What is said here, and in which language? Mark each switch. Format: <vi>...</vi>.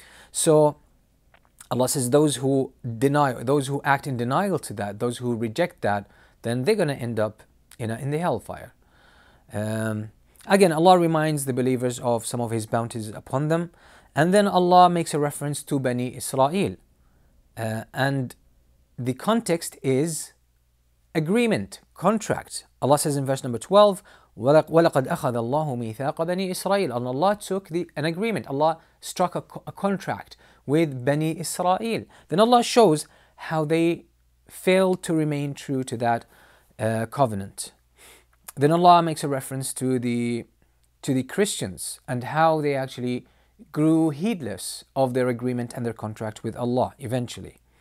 <en>So Allah says those who deny, those who act in denial to that, those who reject that, then they're going to end up in the hellfire. Again, Allah reminds the believers of some of His bounties upon them. And then Allah makes a reference to Bani Israel. And the context is agreement, contract. Allah says in verse number 12,</en> <ar>وَلَقَدْ أَخَذَ اللَّهُ مِيثَاقَ بَنِي إِسْرَائِيلَ.</ar> <en>And Allah took an agreement. Allah struck a contract with Bani Israel. Then Allah shows how they failed to remain true to that covenant. Then Allah makes a reference to the Christians and how they actually grew heedless of their agreement and their contract with Allah eventually.</en>